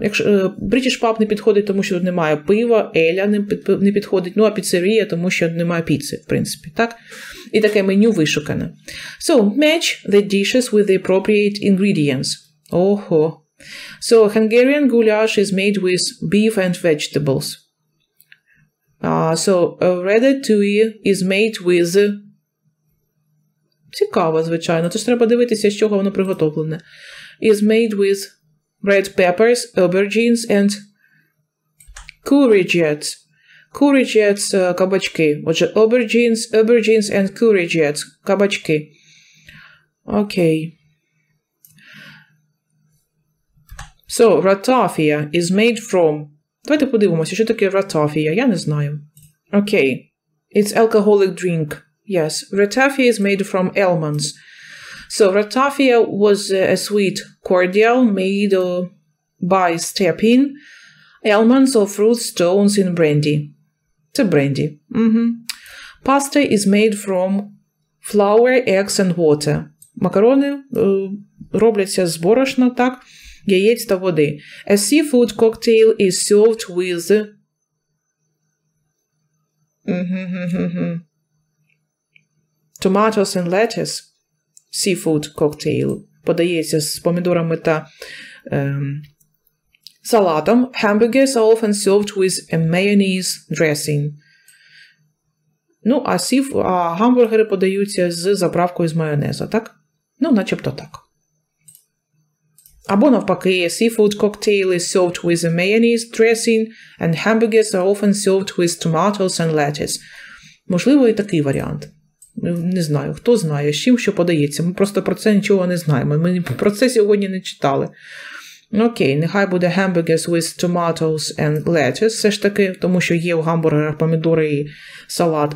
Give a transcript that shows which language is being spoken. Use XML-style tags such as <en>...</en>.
<uk>Якщо British Pub не підходить, тому що немає пива, Еля не підходить, ну, а піцерія, тому що немає піци, в принципі, так? І таке меню вишукане.</uk> <en>So, match the dishes with the appropriate ingredients.</en> <uk>Ого.</uk> <en>So, Hungarian goulash is made with beef and vegetables. Ratatouille is made with...</en> <uk>Цікаво, звичайно. Тож треба дивитися, з чого воно приготовлене.</uk> <en>Is made with red peppers, aubergines and courgettes. Courgettes – кабачки. Отже, aubergines and courgettes – кабачки. Окей. Okay. So, ratafia is made from...</en> <uk>Давайте подивимося, що таке ratafia. Я не знаю. Окей. Okay.</uk> <en>It's alcoholic drink. Yes, ratafia is made from almonds. So, ratafia was a sweet cordial made by stepping almonds or fruit stones in brandy. Це brandy. Mm-hmm. Pasta is made from flour, eggs and water.</en> <uk>Макарони робляться з борошна, так? Яєць та води.</uk> <en>A seafood cocktail is served with... Tomatoes and lettuce, seafood cocktail,</en> <uk>подається з помідорами та салатом.</uk> <en>Hamburgers are often served with a mayonnaise dressing.</en> <uk>Ну, а гамбургери подаються з заправкою з майонезу, так? Ну, начебто так. Або навпаки,</uk> <en>seafood cocktail is served with a mayonnaise dressing, and hamburgers are often served with tomatoes and lettuce.</en> <uk>Можливо, і такий варіант. Не знаю, хто знає, з чим що подається. Ми просто про це нічого не знаємо. Ми про це сьогодні не читали. Окей, нехай буде</uk> <en>hamburgers with tomatoes and lettuce.</en> <uk>Все ж таки, тому що є у гамбургерах помідори і салат.</uk>